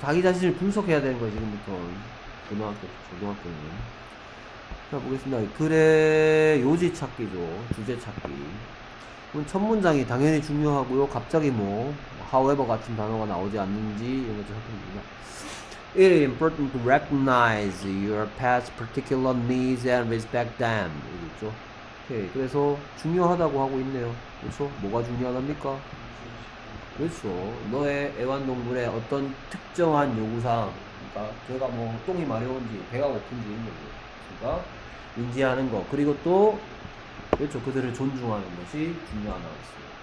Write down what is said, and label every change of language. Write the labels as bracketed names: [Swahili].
[Korean] 자기 자신을 분석해야 되는 거예요, 지금부터. 고등학교, 초등학교는. 자, 보겠습니다. 글의 요지 찾기죠. 주제 찾기. 그럼 첫 문장이 당연히 중요하고요. 갑자기 뭐, however 같은 단어가 나오지 않는지 이런 것들 살펴봅니다. [English] It is important to recognize your past particular needs and respect them. [Korean] 이랬죠? 오케이. 그래서 중요하다고 하고 있네요. 그렇죠? 뭐가 중요하답니까? 그렇죠. 너의 애완동물의 어떤 특정한 요구사항, 그러니까 걔가 뭐 똥이 마려운지 배가 고픈지 이런 거죠. 그러니까 인지하는 거. 그리고 또 그렇죠. 그들을 존중하는 것이 중요하다고 했어요.